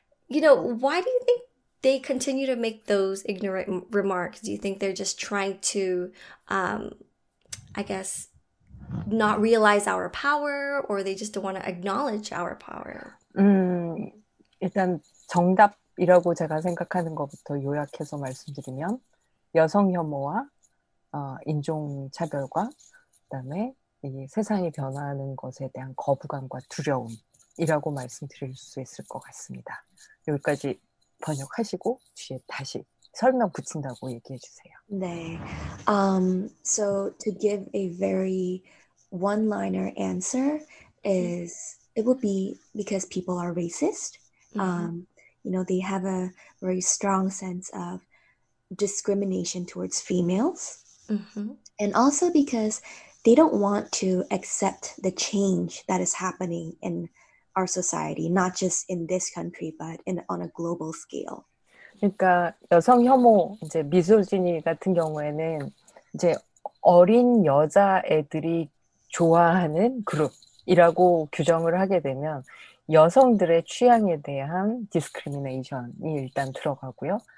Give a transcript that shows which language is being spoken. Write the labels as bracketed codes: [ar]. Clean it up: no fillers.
[en] You know, why do you think they continue to make those ignorant remarks? Do you think they're just trying to, I guess, not realize our power, or they just don't want to acknowledge our power? [ko] 일단 정답이라고 제가 생각하는 것부터 요약해서 말씀드리면, 여성 혐오와 인종 차별과 그다음에 이 세상이 변화하는 것에 대한 거부감과 두려움이라고 말씀드릴 수 있을 것 같습니다. 여기까지 번역하시고 뒤에 다시 설명 붙인다고 얘기해 주세요. 네. [en] So to give a very one-liner answer is it would be because people are racist. You know, they have a very strong sense of discrimination towards females. And also because they don't want to accept the change that is happening in our society, not just in this country, but in, on a global scale. [ko] 그러니까 여성 혐오, 이제 미소지니 같은 경우에는 이제 어린 여자 애들이 좋아하는 그룹이라고 규정을 하게 되면 여성들의 취향에 대한 디스크리미네이션이 일단 들어가고요.